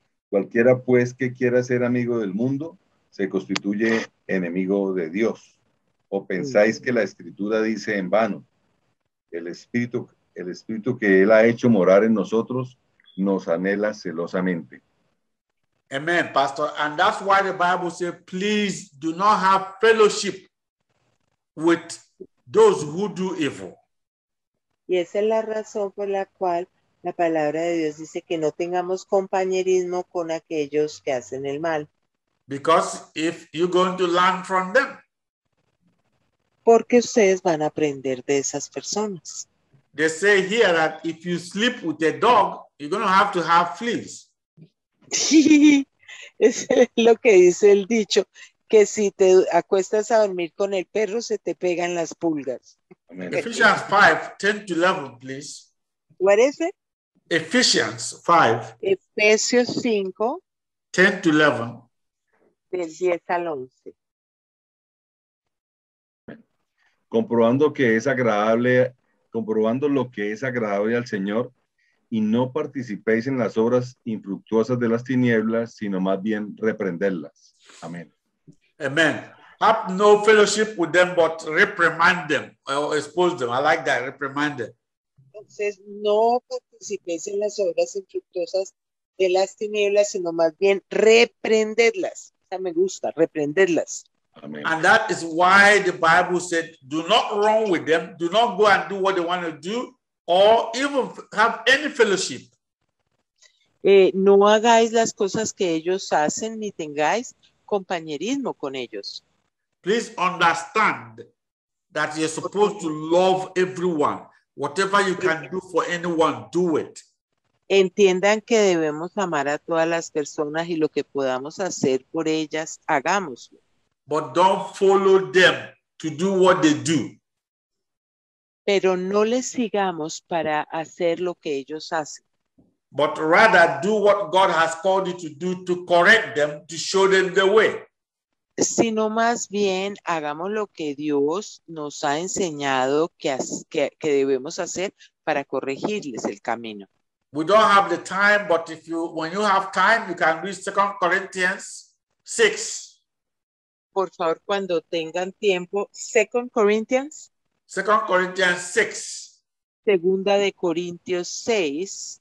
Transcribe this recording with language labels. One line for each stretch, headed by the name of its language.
Spanish: Cualquiera, pues, que quiera ser amigo del mundo, se constituye enemigo de Dios. ¿O pensáis que la Escritura dice en vano? El Espíritu que Él ha hecho morar en nosotros nos anhela celosamente.
English: Amen, Pastor. And that's why the Bible says, please do not have fellowship with those who do evil.
Spanish: Y esa es la razón por la cual la palabra de Dios dice que no tengamos compañerismo con aquellos que hacen el mal.
English: Because if you're going to learn from them.
Spanish: Porque ustedes van a aprender de esas personas.
English: They say here that if you sleep with a dog, you're going to have fleas.
Spanish: Es lo que dice el dicho, que si te acuestas a dormir con el perro, se te pegan las pulgas.
English: Ephesians 5:10-11, please. What is it? Ephesians 5.
Spanish: Efesios 5.
English: 10-11.
Spanish: Del 10 al 11. Comprobando lo que es agradable al Señor, y no participéis en las obras infructuosas de las tinieblas, sino más bien reprenderlas. Amén.
English: Amen. Have no fellowship with them, but reprimand them or expose them. I like that, reprimand them.
Spanish: Entonces, no participéis en las obras infructuosas de las tinieblas, sino más bien reprenderlas. Esa me gusta, reprenderlas.
English: Amen. And that is why the Bible said, do not run with them. Do not go and do what they want to do or even have any fellowship.
Spanish: No hagáis las cosas que ellos hacen ni tengáis compañerismo con ellos.
English: Please understand that you're supposed to love everyone. Whatever you can do for anyone, do it.
Spanish: Entiendan que debemos amar a todas las personas y lo que podamos hacer por ellas, hagámoslo.
English: But don't follow them to do what they do.
Spanish: Pero no les sigamos para hacer lo que ellos hacen.
English: But rather do what God has called you to do, to correct them, to show them the way.
Spanish: Sino más bien hagamos lo que Dios nos ha enseñado que debemos hacer para corregirles el camino.
English: We don't have the time, but if you, when you have time, you can read 2 Corinthians 6.
Spanish: Por favor, cuando tengan tiempo, 2 Corinthians.
English: 2 Corinthians 6.
Spanish: Segunda de Corintios 6.